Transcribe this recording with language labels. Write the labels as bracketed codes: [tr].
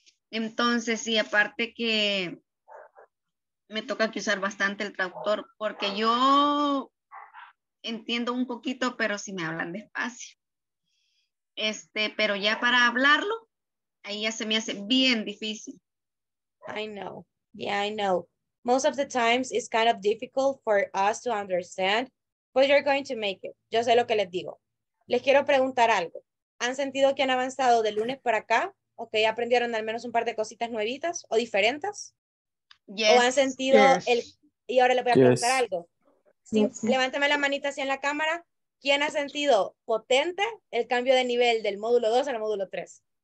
[es] Entonces, y aparte que me toca que usar bastante el traductor, porque yo entiendo un poquito, pero si me hablan despacio. Pero ya para hablarlo, ahí ya se me hace bien difícil. [en] I know. Yeah, I know. Most of the times it's kind of difficult for us to understand, but you're going to make it. [es] Yo sé lo que les digo. Les quiero preguntar algo. ¿Han sentido que han avanzado de lunes para acá? ¿O que ya aprendieron al menos un par de cositas nuevitas o diferentes? Yes. ¿O han sentido el... Y ahora le voy a preguntar algo. Sí, levántame la manita así en la cámara. ¿Quién ha sentido potente el cambio de nivel del módulo 2 al módulo 3?